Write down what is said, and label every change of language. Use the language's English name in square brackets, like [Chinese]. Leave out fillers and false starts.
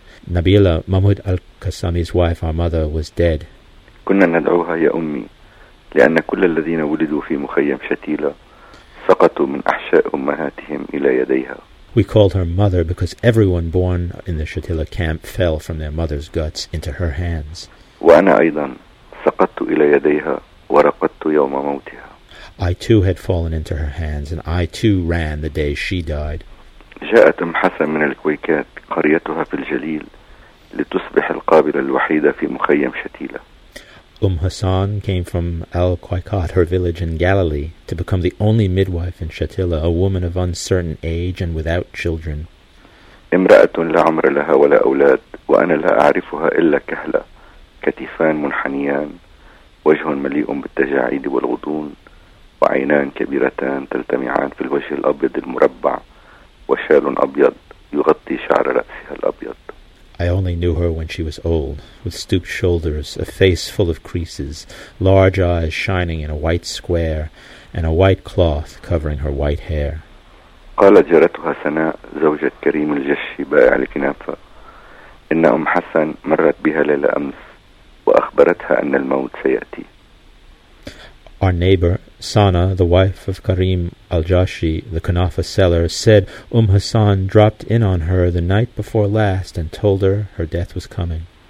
[English] Nabila, Mahmoud al-Qassami's wife, our mother, was dead. [Arabic] كنا ندعوها يا أمي لأن كل الذين ولدوا في مخيم شتيلة سقطوا من أحشاء أمهاتهم إلى يديها. [English] We called her mother because everyone born in the Shatila camp fell from their mother's guts into her hands. [Arabic] وأنا أيضا سقطت إلى يديها ورقدت يوم موتها. [English] I too had fallen into her hands, and I too ran the day she died. [Arabic] جاءت أم حسن من الكويكات قريتها في الجليل لتصبح القابلة الوحيدة في مخيم شتيلة. [English] Umm Hassan came from Al-Qaikat, her village in Galilee, to become the only midwife in Shatila, a woman of uncertain age and without children. [Arabic] امرأة لا عمر لها ولا أولاد وأنا لا أعرفها إلا كهلة كتفان منحنيان وجه مليء بالتجاعيد والغضون وعينان كبيرتان تلتمعان في الوجه الأبيض المربع وشال أبيض يغطي شعر رأسها الأبيض. [English] I only knew her when she was old, with stooped shoulders, a face full of creases, large eyes shining in a white square, and a white cloth covering her white hair. [Arabic] قالت جارتها سناء زوجة كريم الجشي بائع الكنافة إن أم حسن مرت بها ليلة أمس وأخبرتها أن الموت سيأتي. [English] Our neighbor, Sana, the wife of Karim al-Jashi, the kunafa seller, said Hassan dropped in on her the night before last and told her death was coming.